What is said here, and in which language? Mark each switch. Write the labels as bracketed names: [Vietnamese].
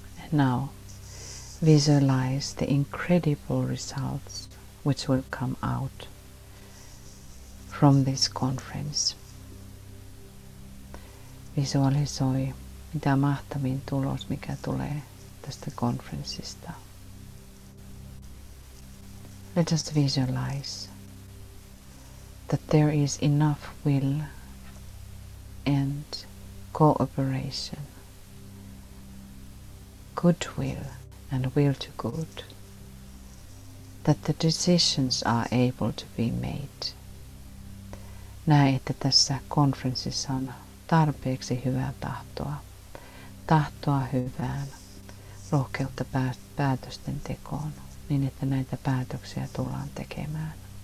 [English] Now, visualize the incredible results which will come out from this conference. [Finnish] Visualisoi, mitä mahtavin tulos, mikä tulee tästä konferenssista. [English] Let us visualize that there is enough will and cooperation, goodwill and will to good, that the decisions are able to be made. [Finnish] Näe, että tässä konferenssissa on tarpeeksi hyvää tahtoa. Tahtoa hyvään, rohkeutta päätösten tekoon, niin että näitä päätöksiä tullaan tekemään.